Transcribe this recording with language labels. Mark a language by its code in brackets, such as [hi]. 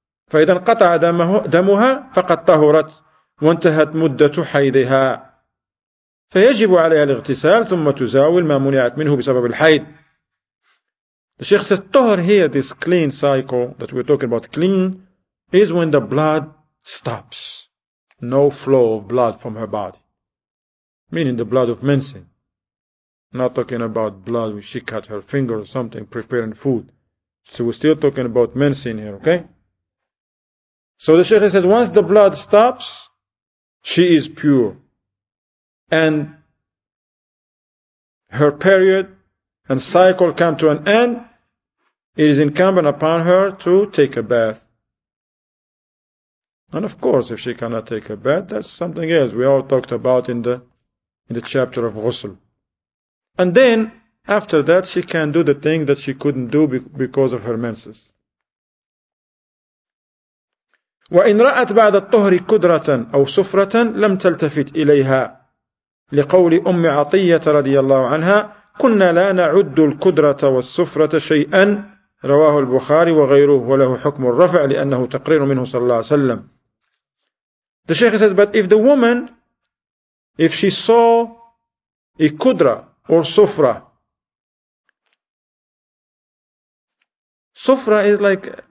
[ar] فإذا انقطع دمها فقد طهرت وانتهت مدة حيضها فيجب عليها الاغتسال ثم تزاول ما منعت منه بسبب الحيض. [en] The Sheikh says, طهر here, this clean cycle that we're talking about, clean, is when the blood stops. No flow of blood from her body. Meaning the blood of menstruation. Not talking about blood when she cut her finger or something preparing food. So we're still talking about menstruation here, okay? So the Shaykh says, once the blood stops, she is pure. And her period and cycle come to an end, it is incumbent upon her to take a bath. And of course, if she cannot take a bath, that's something else we all talked about in the chapter of ghusl. And then, after that, she can do the thing that she couldn't do because of her menses. [ar] وإن رأت بعد الطهر كدرة أو صفرة لم تلتفت إليها لقول أم عطية رضي الله عنها كنا لا نعد الكدرة والصفرة شيئا رواه البخاري وغيره وله حكم الرفع لأنه تقرير منه صلى الله عليه وسلم. [en] The Sheikh says, but if she saw a kudra or sufra, sufra is like